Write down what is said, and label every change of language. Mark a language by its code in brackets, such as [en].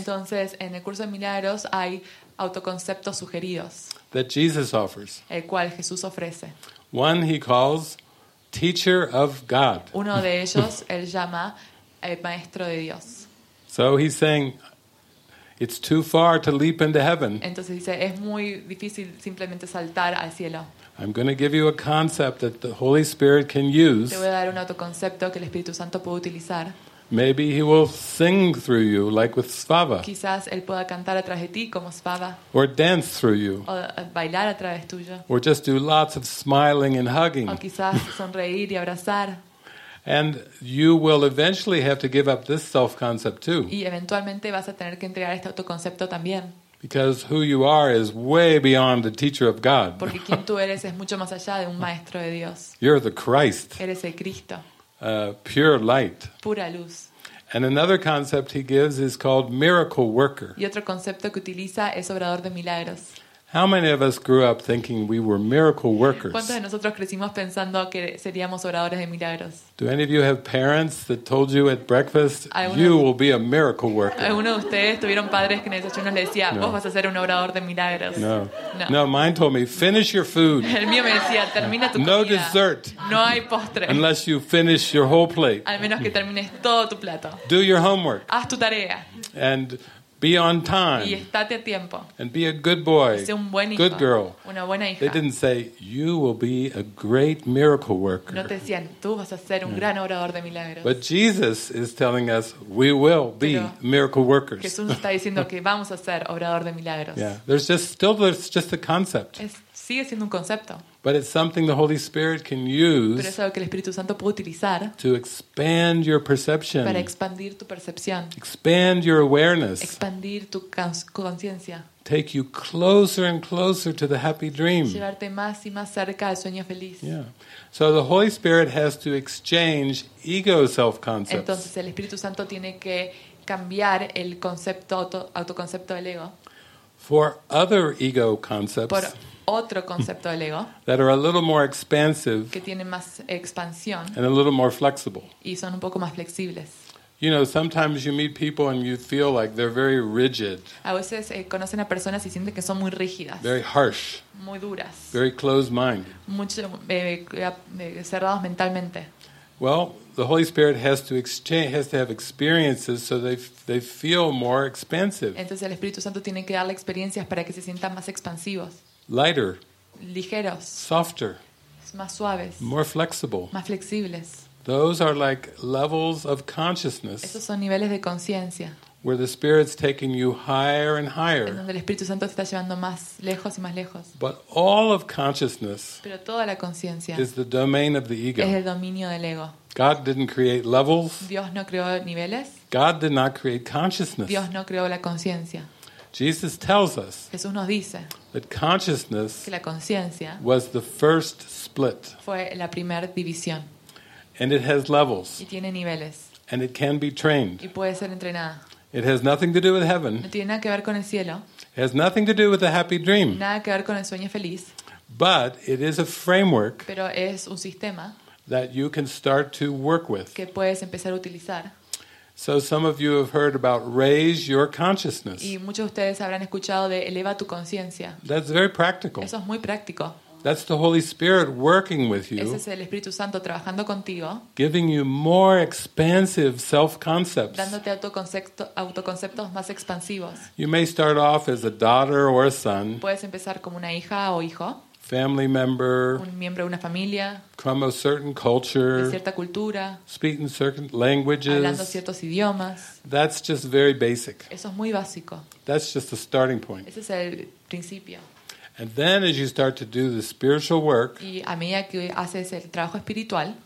[es] Entonces, en el curso de milagros hay autoconceptos sugeridos. [en] That Jesus offers. [es] El cual Jesús ofrece. [en] One he calls teacher of God. [es] Uno de ellos él llama el maestro de Dios. [en] So he's saying it's too far to leap into heaven. [es] Entonces dice es muy difícil simplemente saltar al cielo. [en] I'm going to give you a concept that the Holy Spirit can use. [es] Te voy a dar un autoconcepto que el Espíritu Santo puede utilizar. [en] Maybe he will sing through you like with Svava. [es] Quizás él pueda cantar a través de ti como Svava. [en] Or dance through you. [es] O bailar a través tuyo. [en] Or just do lots of smiling and hugging. [es] O quizás sonreír y abrazar. [en] And you will eventually have to give up this self-concept too. [es] Y eventualmente vas a tener que entregar este autoconcepto también. [en] Because who you are is way beyond the teacher of God. [es] Porque quien tú eres es mucho más allá de un maestro de Dios. [en] You're the Christ. [es] Eres el Cristo. [en] Pure light. [es] Pura luz. [en] And another concept he gives is called miracle worker. [es] Y otro concepto que utiliza es obrador de milagros. [en] How many of us grew up thinking we were miracle workers? [es] ¿Cuántos de nosotros crecimos pensando que seríamos obradores de milagros? [en] Do any of you have parents that told you at breakfast you will be a miracle worker? [es] ¿Alguno de ustedes tuvieron padres que en el desayuno les decía, vos vas a ser un obrador de milagros? [en] No. No, mine told me, finish your food. [es] El mío me decía, termina tu comida. [en] No dessert. [es] No hay postre. [en] Unless you finish your whole plate. [es] Al menos que termines todo tu plato. [en] Do your homework. [es] Haz tu tarea. [en] And be on time. [es] Y estate a tiempo. [en] And be a good boy. [es] Sé un buen hijo. [en] Good girl. [es] Una buena hija. [en] They didn't say you will be a great miracle worker. [es] No te decían tú vas a ser un gran obrador de milagros. [en] But Jesus is telling us we will be miracle workers. [es] Jesús nos está diciendo que vamos a ser obrador de milagros. [en] Yeah. There's just a concept. [es] Sigue siendo un concepto. [en] But it's something the Holy Spirit can use. [es] Pero es algo que el Espíritu Santo puede utilizar. [en] To expand your perception. [es] Para expandir tu percepción. [en] Expand your awareness. [es] Expandir tu conciencia. [en] Take you closer and closer to the happy dream. [es] Llevarte más y más cerca al sueño feliz. [en] Yeah. So the Holy Spirit has to exchange ego self concepts. [es] Entonces el Espíritu Santo tiene que cambiar el concepto autoconcepto del ego. [en] For other ego concepts. [es] Por otro concepto del ego, [en] that are a little more expansive, [es] que tienen más expansión, [en] and a little more flexible. [es] Y son un poco más flexibles. [en] You know, sometimes you meet people and you feel like they're very rigid. [es] A veces conocen a personas y sienten que son muy rígidas. [en] Very harsh. [es] Muy duras. [en] Very closed-minded. [es] Mucho cerrados mentalmente. [en] Well, the Holy Spirit has to have experiences so they feel more expansive. [es] Entonces el Espíritu Santo tiene que darle experiencias para que se sientan más expansivos. [en] Lighter, [es] ligeros, [en] softer, [es] más suaves, [en] more flexible, [es] más flexibles. [en] Those are like levels of consciousness. [es] Esos son niveles de conciencia. [en] Where the Spirit's taking you higher and higher. [es] En donde el Espíritu Santo te está llevando más lejos y más lejos. [en] But all of consciousness. [es] Pero toda la conciencia. [en] Is the domain of the ego. [es] Es el dominio del ego. [en] God didn't create levels. [es] Dios no creó niveles. [en] God did not create consciousness. [es] Dios no creó la conciencia. [en] Jesus tells us. [es] Jesús nos dice. [en] That consciousness, [es] que la conciencia, [en] was the first split. [es] Fue la primera división. [en] And it has levels. [es] Y tiene niveles. [en] And it can be trained. [es] Y puede ser entrenada. [en] It has nothing to do with heaven. [es] No tiene nada que ver con el cielo. [en] It has nothing to do with the happy dream. [es] Nada que ver con el sueño feliz. [en] But it is a framework. [es] Pero es un sistema. [en] That you can start to work with. [es] Que puedes empezar a utilizar. [en] So some of you have heard about raise your consciousness. [es] Y muchos de ustedes habrán escuchado de eleva tu conciencia. [en] That's very practical. [es] Eso es muy práctico. [en] That's the Holy Spirit working with you. [es] Ese es el Espíritu Santo trabajando contigo. [en] Giving you more expansive self-concepts. [es] Dándote autoconceptos más expansivos. [en] You may start off as a daughter or a son. [es] Puedes empezar como una hija o hijo. [en] Family member, [es] un miembro de una familia, [en] from a certain culture, [es] de cierta cultura, [en] speaking certain languages, [es] hablando ciertos idiomas. [en] That's just very basic. [es] Eso es muy básico. [en] That's just the starting point. [es] Ese es el principio. [en] And then as you start to do the spiritual work, [es] y a medida que haces el trabajo espiritual,